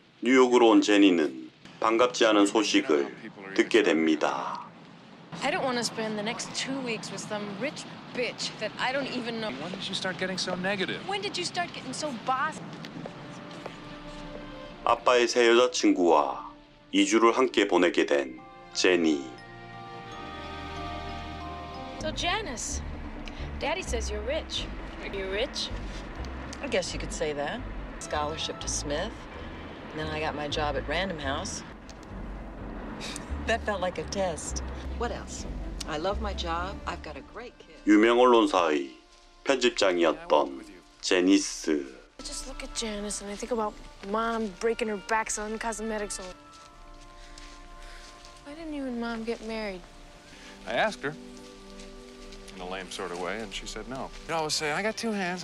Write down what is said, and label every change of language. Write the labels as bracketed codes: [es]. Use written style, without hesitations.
[ko] 뉴욕으로 온 제니는 반갑지 않은 소식을 듣게 됩니다. [en] I don't want to spend the next two weeks with some rich bitch that I don't even know. When did you start getting so negative? When did you start getting so boss? [ko] 아빠의 새 여자친구와 2주를 함께 보내게 된 제니. [en] So Janice, Daddy says you're rich. Are you rich? I guess you could say that. Scholarship to Smith. And then I got my job at Random House. That felt like a test. What else? I love my job. I've got a great kid. [ko] 유명 언론사의 편집장이었던 제니스. [en] I just look at Janice and I think about Mom breaking her back selling cosmetics. Why didn't you and Mom get married? I asked her in a lame sort of way, and she said no. You know, I was saying, I got two hands.